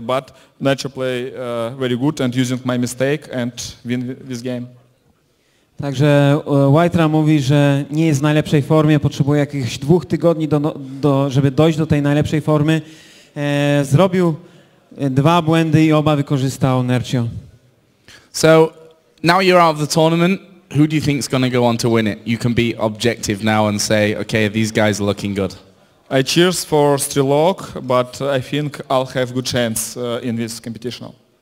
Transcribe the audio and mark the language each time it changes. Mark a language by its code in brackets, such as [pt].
[en] But Nerchio play very good and using my mistake and win this game. [pl] Także White-Ra mówi, że nie jest w najlepszej formie, potrzebuje jakichś 2 tygodni, żeby dojść do tej najlepszej formy. Zrobił 2 błędy i oba wykorzystał Nerchio. [en] So, now you're out of the tournament, who do you think is going to go on to win it? You can be objective now and say, okay, these guys are looking good. I cheers for Strelok, but I think I'll have good chance in this competition.